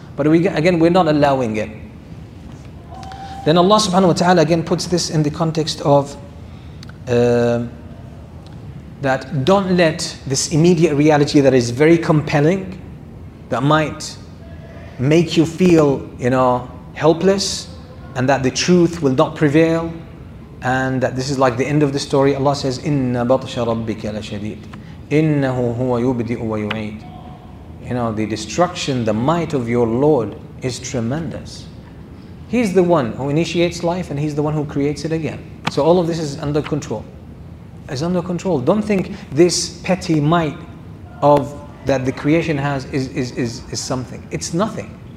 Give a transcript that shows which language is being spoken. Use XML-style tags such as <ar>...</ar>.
<en>But we're not allowing it. Then Allah subhanahu wa ta'ala again puts this in the context of that don't let this immediate reality that is very compelling, that might make you feel, you know, helpless, and that the truth will not prevail, and that this is like the end of the story. Allah says,</en> <ar>إِنَّ بَطْشَ رَبِّكَ لَشَدِيدٌ إِنَّهُ هُوَ يُبْدِئُ وَيُعِيدٌ.</ar> <en>You know, the destruction, the might of your Lord is tremendous. He's the one who initiates life and He's the one who creates it again. So all of this is under control. It's under control. Don't think this petty might of that the creation has is something. It's nothing.</en>